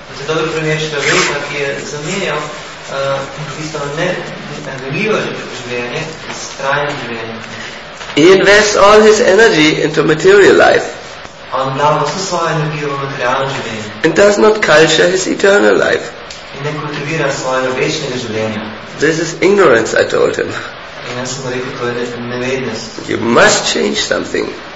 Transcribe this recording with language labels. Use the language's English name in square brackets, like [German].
[English] He invests all his energy into material life and does not culture his eternal life. [Slovenian] ne kultivira svojega večnega življenja. [English] This is ignorance, I told him. [Slovenian] In jaz sem rekel, to je nevednost. [English] You must change something.